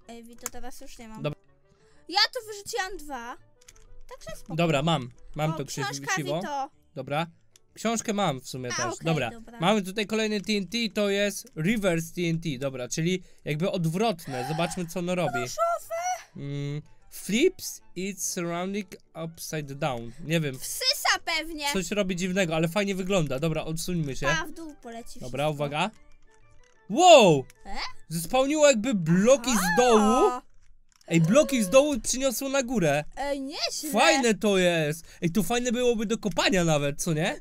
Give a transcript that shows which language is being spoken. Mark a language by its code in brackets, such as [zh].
[pl] Ej, to teraz już nie mam. Dobra. Ja tu wyrzuciłam dwa. Także spoko. Dobra, mam to krzesiwo. Dobra. Książkę mam w sumie też. A, okay, dobra. Dobra. Mamy tutaj kolejny TNT, to jest reverse TNT, dobra, czyli jakby odwrotne. Zobaczmy, co ono robi. [en] Flips its surrounding upside down. [pl] Nie wiem. Wsysa pewnie. Coś robi dziwnego, ale fajnie wygląda. Dobra, odsuńmy się. A, w dół poleci. Dobra, wszystko. Uwaga. Wow! Zespełniło jakby bloki z dołu. Ej, bloki z dołu przyniosło na górę. Ej, nieźle. Fajne to jest. Ej, to fajne byłoby do kopania nawet, co nie?